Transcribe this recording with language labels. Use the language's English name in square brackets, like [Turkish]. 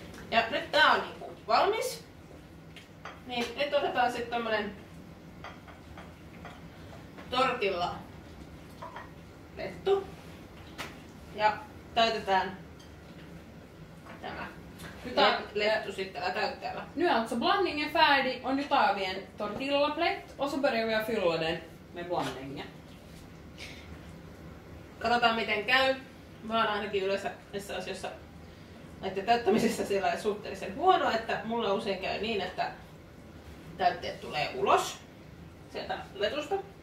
[Finnish] Ja nyt tää on niinku valmis. Niin nyt otetaan sitten tommonen tortilla lettu ja täytetään tämä. Nyt on lettu sitten täyttäjällä. [Swedish] Nu är alltså blandningen färdig och nu tar vi en tortilla plätt och så börjar vi fylla den med blandningen. [Finnish] Katsotaan miten käy. Mä oon ainakin yleensä näissä asioissa näiden täyttämisessä siellä suhteellisen huono, että mulla usein käy niin, että täytteet tulee ulos sieltä letusta.